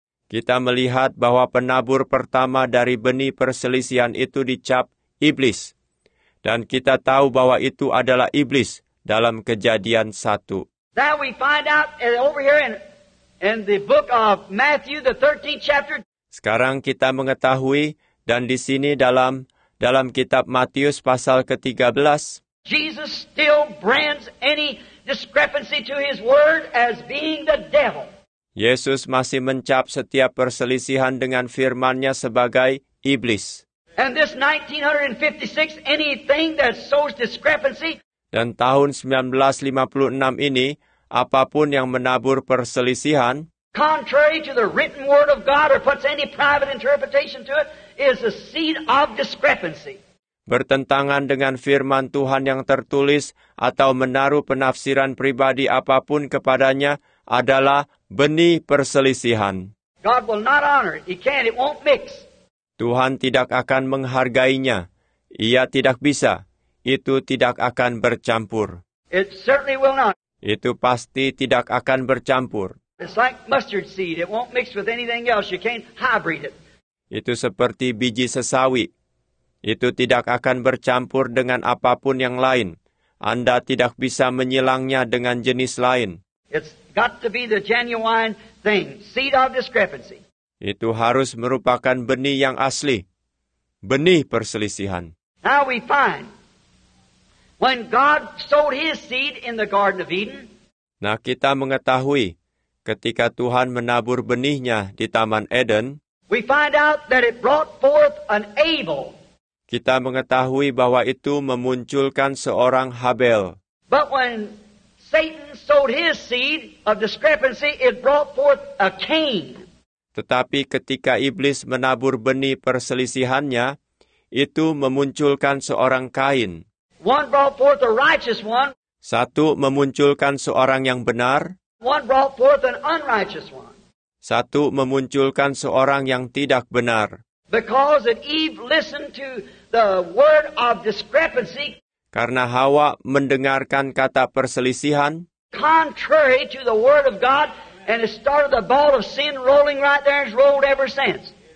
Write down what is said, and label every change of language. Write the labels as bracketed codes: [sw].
[id] Kita melihat bahwa penabur pertama dari benih perselisihan itu dicap iblis. Dan kita tahu bahwa itu adalah iblis dalam Kejadian 1. [en] That we find out over here in the book of Matthew, the 13th chapter. [id] Sekarang kita mengetahui dan di sini dalam kitab Matius pasal ke-13. [en] Jesus still brands any discrepancy to his word as being the devil. [id] Yesus masih mencap setiap perselisihan dengan firman-Nya sebagai iblis. [en] And this 1956, anything that sows discrepancy. [id] Dan tahun 1956 ini, apapun yang menabur perselisihan, [en] contrary to the written word of God or puts any private interpretation to it, is a seed of discrepancy. [id] Bertentangan dengan firman Tuhan yang tertulis atau menaruh penafsiran pribadi apapun kepadanya adalah benih perselisihan. [en] God will not honor it. He can't. It won't mix. [id] Tuhan tidak akan menghargainya. Ia tidak bisa. Itu tidak akan bercampur. [en] It certainly will not. [id] Itu pasti tidak akan bercampur. [en] It's like mustard seed. It won't mix with anything else. You can't hybrid it. [id] Itu seperti biji sesawi. Itu tidak akan bercampur dengan apapun yang lain. Anda tidak bisa menyilangnya dengan jenis lain. [en] It's got to be the genuine thing, seed of discrepancy. [id] Itu harus merupakan benih yang asli. Benih perselisihan. [en] Now we find when God sowed his seed in the Garden of Eden. [id] Nah, kita mengetahui ketika Tuhan menabur benihnya di Taman Eden. [en] We find out that it brought forth an Abel. [id] Kita mengetahui bahwa itu memunculkan seorang Habel. [en] But when Satan sowed his seed of discrepancy, it brought forth a Cain. [id] Tetapi ketika iblis menabur benih perselisihannya, itu memunculkan seorang Kain. [en] One brought forth a righteous one. [id] Satu memunculkan seorang yang benar. [en] One brought forth an unrighteous one. [id] Satu memunculkan seorang yang tidak benar. [en] Because that Eve listened to the word of discrepancy. [id] Karena Hawa mendengarkan kata perselisihan. [en] Contrary to the word of God, and it started the ball of sin rolling right there and rolled ever since.